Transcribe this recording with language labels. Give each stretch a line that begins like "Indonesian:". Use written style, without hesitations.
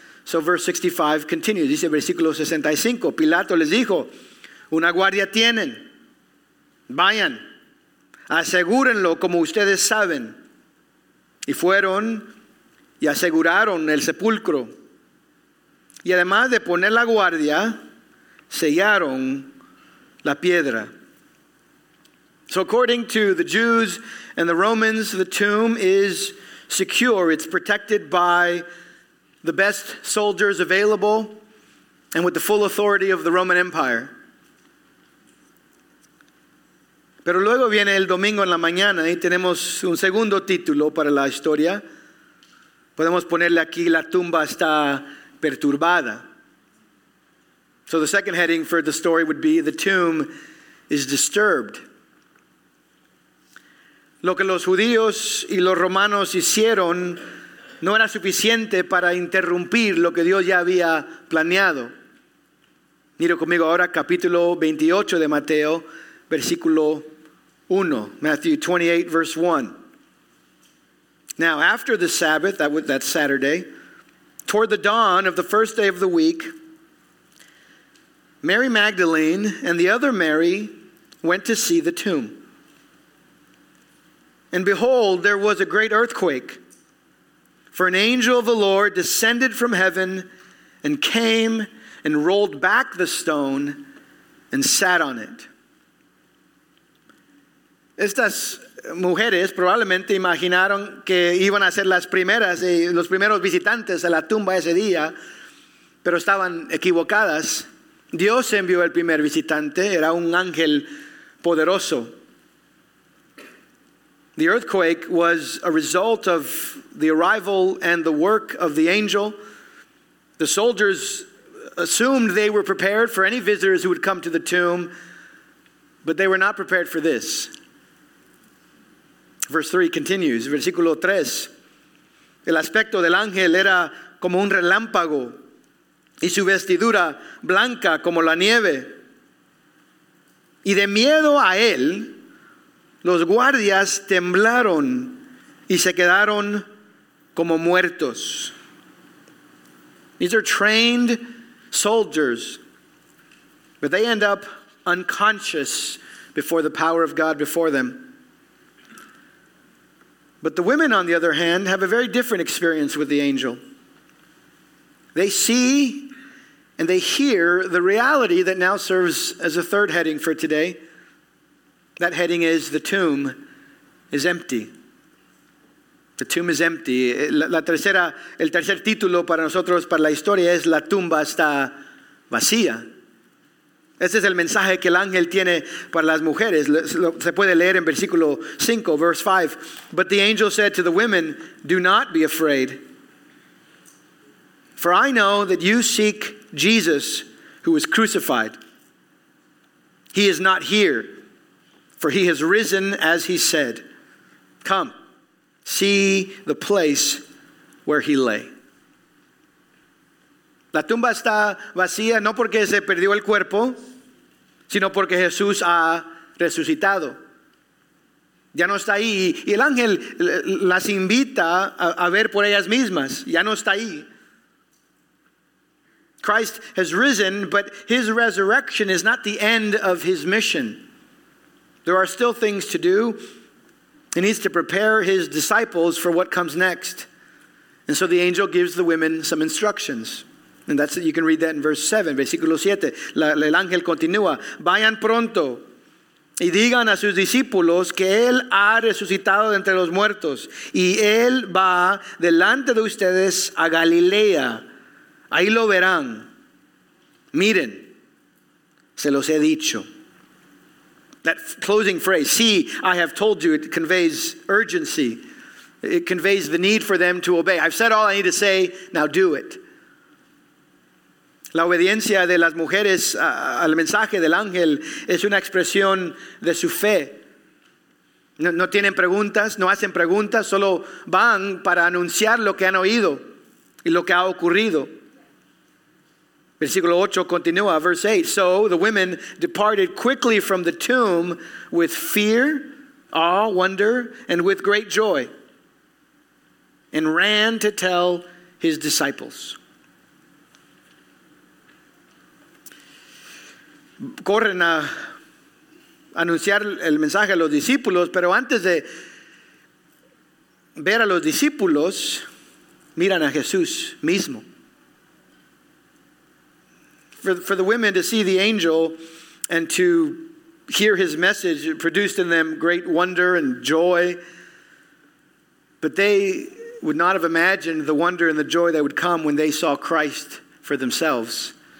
English: So verse 65 continues.
Spanish: Dice versículo 65. Pilato les dijo, una guardia tienen. Vayan. Asegúrenlo como ustedes saben. Y fueron y aseguraron el sepulcro. Y además de poner la guardia, sellaron la piedra.
English: So according to the Jews and the Romans, the tomb is secure. It's protected by the best soldiers available and with the full authority of the Roman Empire.
Spanish: Pero luego viene el domingo en la mañana y tenemos un segundo título para la historia. Podemos ponerle aquí, la tumba está perturbada.
English: So the second heading for the story would be, the tomb is disturbed.
Spanish: Lo que los judíos y los romanos hicieron no era suficiente para interrumpir lo que Dios ya había planeado. Mire conmigo ahora capítulo 28 de Mateo, versículo 1.
English: Matthew 28, verse 1. Now, after the Sabbath, that Saturday, toward the dawn of the first day of the week, Mary Magdalene and the other Mary went to see the tomb. And behold, there was a great earthquake, for an angel of the Lord descended from heaven and came and rolled back the stone and sat on it.
Spanish: Estas mujeres probablemente imaginaron que iban a ser las primeras, los primeros visitantes a la tumba ese día, pero estaban equivocadas. Dios envió el primer visitante, era un ángel poderoso.
English: The earthquake was a result of the arrival and the work of the angel. The soldiers assumed they were prepared for any visitors who would come to the tomb, but they were not prepared for this. Verse 3 continues,
Spanish: versículo 3. El aspecto del ángel era como un relámpago, y su vestidura blanca como la nieve. Y de miedo a él, los guardias temblaron y se quedaron como muertos.
English: These are trained soldiers, but they end up unconscious before the power of God before them. But the women, on the other hand, have a very different experience with the angel. They see and they hear the reality that now serves as a third heading for today. That heading is, the tomb is empty. The tomb is empty.
Spanish: El tercer título para nosotros, para la historia, es la tumba está vacía. Ese es el mensaje que el ángel tiene para las mujeres. Se puede leer en versículo 5,
English: verse 5. But the angel said to the women, "Do not be afraid. For I know that you seek Jesus, who was crucified. He is not here, for he has risen as he said. Come, see the place where he lay."
Spanish: La tumba está vacía no porque se perdió el cuerpo, sino porque Jesús ha resucitado. Ya no está ahí. Y el ángel las invita a ver por ellas mismas. Ya no está ahí.
English: Christ has risen, but his resurrection is not the end of his mission. There are still things to do. He needs to prepare his disciples for what comes next. And so the angel gives the women some instructions. And that's it. You can read that in verse 7,
Spanish: versículo 7. El ángel continúa. Vayan pronto y digan a sus discípulos que él ha resucitado de entre los muertos. Y él va delante de ustedes a Galilea. Ahí lo verán. Miren, se los he dicho.
English: That closing phrase, "See, I have told you," it conveys urgency. It conveys the need for them to obey. I've said all I need to say, now do it.
Spanish: La obediencia de las mujeres al mensaje del ángel es una expresión de su fe. No tienen preguntas, no hacen preguntas, solo van para anunciar lo que han oído y lo que ha ocurrido. Versículo 8 continúa,
English: verse 8. So the women departed quickly from the tomb with fear, awe, wonder, and with great joy, and ran to tell his disciples.
Spanish: Corren a anunciar el mensaje a los discípulos, pero antes de ver a los discípulos, miran a Jesús mismo.
English: For the women to see the angel and to hear his message produced in them great wonder and joy. But they would not have imagined the wonder and the joy that would come when they saw Christ for themselves.